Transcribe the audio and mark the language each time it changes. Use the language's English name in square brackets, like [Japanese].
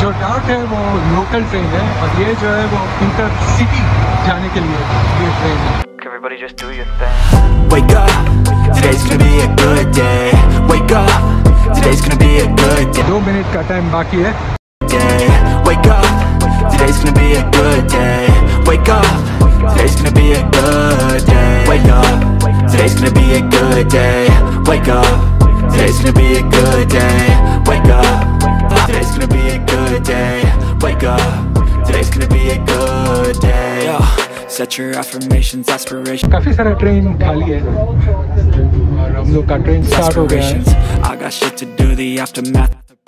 [Hindi] जो डार्ट है वो लोकल ट्रेन है और ये जो है वो इंटर सिटी जाने के लिए ये ट्रेन है। [English] Everybody just do your thing. Wake up, today is gonna be a good day. Wake up, today is gonna be a good day. [Hindi] 2 minute का टाइम बाकी है। [English] Wake up, today is gonna be a good day. Wake up, today's gonna be a good day. Wake up, today's gonna be a good day. Wake up, today's gonna be a good day. Wake up, today's gonna be a good day. Wake up, today's gonna be a good day. Set your affirmations, aspirations. [Hindi] काफी सारा train खाली है और हम लोग का train start हो गया। [English] I got shit to do, the aftermath.